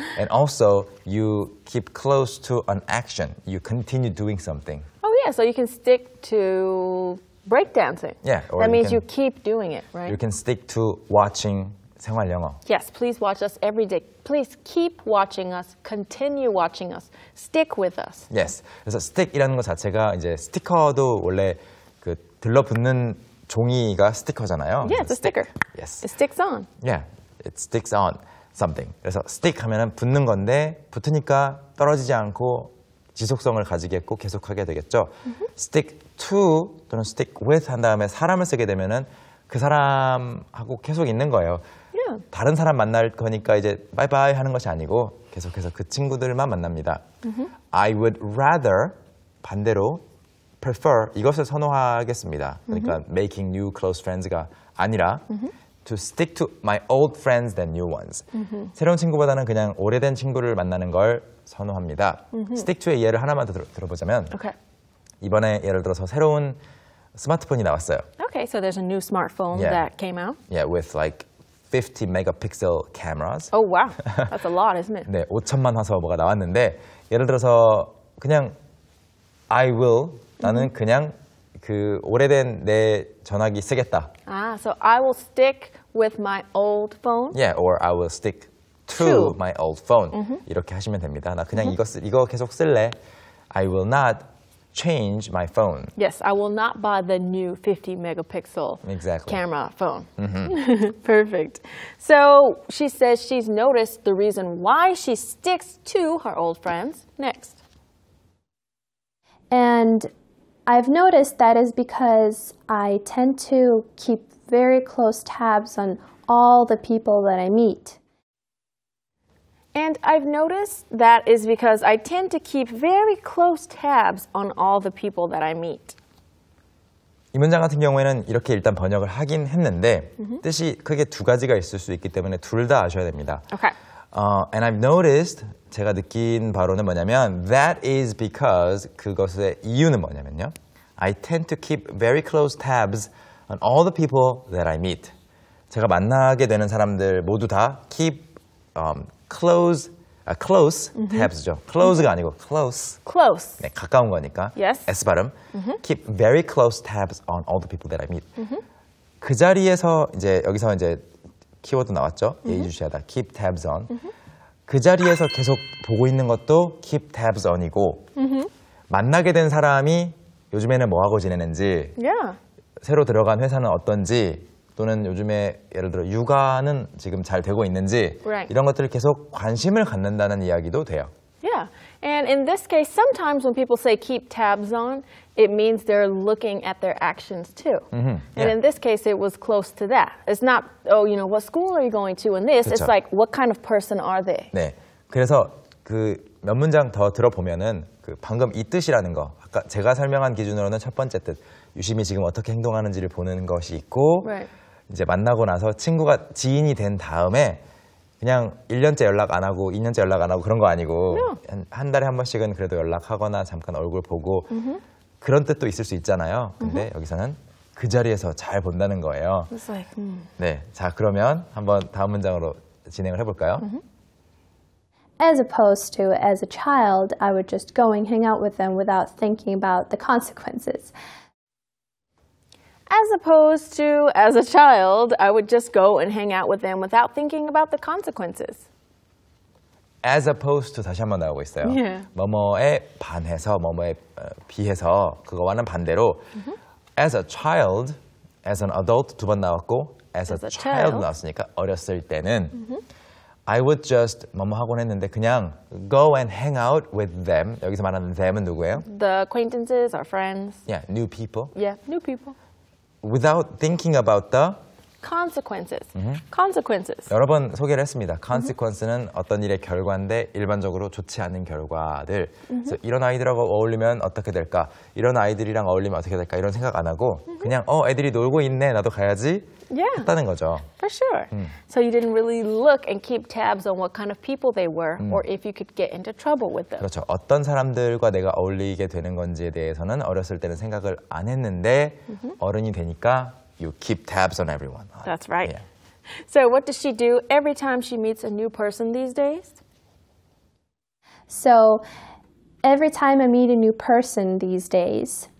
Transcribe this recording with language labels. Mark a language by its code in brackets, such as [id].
[en] And also, you keep close to an action. You continue doing something. Oh, yeah. So you can stick to break dancing. Yeah. That means you keep doing it, right? You can stick to watching 생활영어. Yes, please watch us every day. Please keep watching us, continue watching us, stick with us. Yes. [ko] 그래서 stick이라는 것 자체가 이제 스티커도 원래 그 들러붙는 종이가 스티커잖아요. [en] Yeah, it's a sticker. Yes. It sticks on. Yeah, it sticks on something. [ko] 그래서 stick 하면은 붙는 건데 붙으니까 떨어지지 않고 지속성을 가지겠고 계속하게 되겠죠. Mm-hmm. Stick to 또는 stick with 한 다음에 사람을 쓰게 되면은 그 사람하고 계속 있는 거예요. [en] Yeah. [ko] 다른 사람 만날 거니까 이제 바이바이 하는 것이 아니고 계속해서 그 친구들만 만납니다. Mm-hmm. [en] I would rather [ko] 반대로 prefer 이것을 선호하겠습니다. 그러니까 mm-hmm. [en] making new close friends가 아니라 mm-hmm. to stick to my old friends than new ones. Mm-hmm. [ko] 새로운 친구보다는 그냥 오래된 친구를 만나는 걸 선호합니다. Mm-hmm. stick to의 예를 하나만 더 들어보자면 [en] okay. [ko] 이번에 예를 들어서 새로운 스마트폰이 나왔어요. [en] Okay, so there's a new smartphone yeah. that came out. Yeah, with like 50 megapixel cameras. Oh, wow. That's a lot, isn't it? [ko] 네, 5천만 화소가 나왔는데 예를 들어서 그냥 I will, mm-hmm. 나는 그냥 그 오래된 내 전화기 쓰겠다. [en] Ah, so I will stick with my old phone? Yeah, or I will stick to my old phone. Mm-hmm. [ko] 이렇게 하시면 됩니다. 나 그냥 mm-hmm. 이거 계속 쓸래. [en] I will not change my phone. Yes, I will not buy the new 50 megapixel exactly. camera phone. Mm-hmm. Perfect. So she says she's noticed the reason why she sticks to her old friends. Next. And I've noticed that is because I tend to keep very close tabs on all the people that I meet. And I've noticed that is because I tend to keep very close tabs on all the people that I meet. [ko] 이 문장 같은 경우에는 이렇게 일단 번역을 하긴 했는데 mm-hmm. 뜻이 크게 두 가지가 있을 수 있기 때문에 둘 다 아셔야 됩니다. [en] Okay. And I've noticed [ko] 제가 느낀 바로는 뭐냐면 [en] that is because [ko] 그것의 이유는 뭐냐면요. [en] I tend to keep very close tabs on all the people that I meet. [ko] 제가 만나게 되는 사람들 모두 다 keep close, close mm-hmm. tabs죠. Close가 mm-hmm. 아니고 close. [en] Close. [ko] 네, 가까운 거니까. [en] Yes. [ko] S 발음. Mm-hmm. [en] Keep very close tabs on all the people that I meet. Mm-hmm. [ko] 그 자리에서 이제 여기서 이제 키워드 나왔죠. Mm-hmm. 예의주시하다. Keep tabs on. Mm-hmm. 그 자리에서 계속 보고 있는 것도 keep tabs on이고 mm-hmm. 만나게 된 사람이 요즘에는 뭐 하고 지내는지, [en] yeah. [ko] 새로 들어간 회사는 어떤지. 또는 요즘에 예를 들어 육아는 지금 잘 되고 있는지 [en] right. [ko] 이런 것들을 계속 관심을 갖는다는 이야기도 돼요. [en] Yeah. And in this case, sometimes when people say keep tabs on, it means they're looking at their actions too. Mm-hmm. Yeah. And in this case, it was close to that. It's not, oh, you know, what school are you going to in this? [ko] 그쵸. [en] It's like, what kind of person are they? [ko] 네. 그래서 그 몇 문장 더 들어보면은 그 방금 이 뜻이라는 거, 아까 제가 설명한 기준으로는 첫 번째 뜻, 유심히 지금 어떻게 행동하는지를 보는 것이 있고 [en] right. [ko] 이제 만나고 나서 친구가 지인이 된 다음에 그냥 1년째 연락 안 하고 2년째 연락 안 하고 그런 거 아니고 [en] no. [ko] 한 달에 한 번씩은 그래도 연락하거나 잠깐 얼굴 보고 mm-hmm. 그런 뜻도 있을 수 있잖아요. 근데 mm-hmm. 여기서는 그 자리에서 잘 본다는 거예요. [en] It's like, mm. [ko] 네, 자 그러면 한번 다음 문장으로 진행을 해볼까요? Mm-hmm. [en] As opposed to as a child, I would just go and hang out with them without thinking about the consequences. As opposed to, as a child, I would just go and hang out with them without thinking about the consequences. As opposed to, [ko] 다시 한번 나오고 있어요. [en] Yeah. [ko] 뭐뭐에 반해서, 뭐뭐에 비해서, 그거와는 반대로. Mm-hmm. [en] As a child, as an adult, [ko] 두 번 나왔고, [en] as a [ko] child 나왔으니까 어렸을 때는. Mm-hmm. [en] I would just, [ko] 뭐뭐 하곤 했는데 그냥 [en] go and hang out with them. [ko] 여기서 말하는 them은 누구예요? [en] The acquaintances, our friends. Yeah, new people. Yeah, new people. Without thinking about the consequences. Mm-hmm. Consequences. [ko] 여러 번 소개를 했습니다. Consequences는 mm-hmm. 어떤 일의 결과인데 일반적으로 좋지 않은 결과들. Mm-hmm. 그래서 이런 아이들하고 어울리면 어떻게 될까? 이런 아이들이랑 어울리면 어떻게 될까? 이런 생각 안 하고 mm-hmm. 그냥 애들이 놀고 있네. 나도 가야지. [en] Yeah. [ko] 했다는 거죠. [en] For sure. So you didn't really look and keep tabs on what kind of people they were or if you could get into trouble with them. [ko] 그렇죠. 어떤 사람들과 내가 어울리게 되는 건지에 대해서는 어렸을 때는 생각을 안 했는데 mm-hmm. 어른이 되니까 [en] you keep tabs on everyone. That's right. Yeah. So what does she do every time she meets a new person these days? So every time I meet a new person these days,